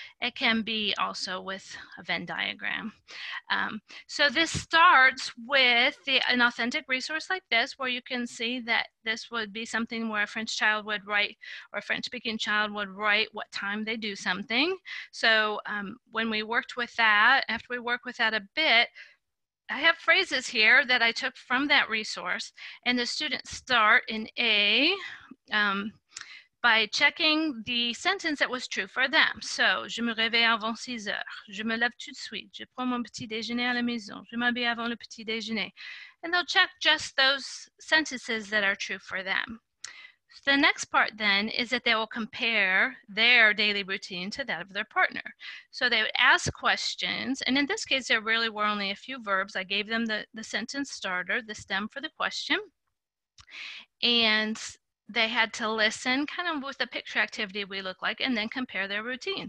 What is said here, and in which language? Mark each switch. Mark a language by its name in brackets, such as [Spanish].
[English] It can be also with a Venn diagram. So this starts with an authentic resource like this where you can see that this would be something where a French child would write or a French speaking child would write what time they do something. So when we worked with that, after we work with that a bit, I have phrases here that I took from that resource, and the students start in A by checking the sentence that was true for them. [French] So, je me réveille avant 6 heures, je me lève tout de suite, je prends mon petit déjeuner à la maison, je m'habille avant le petit déjeuner. [English] And they'll check just those sentences that are true for them. So the next part then is that they will compare their daily routine to that of their partner. So they would ask questions, and in this case, there really were only a few verbs. I gave them the sentence starter, the stem for the question, and they had to listen kind of with the picture activity we look like and then compare their routine.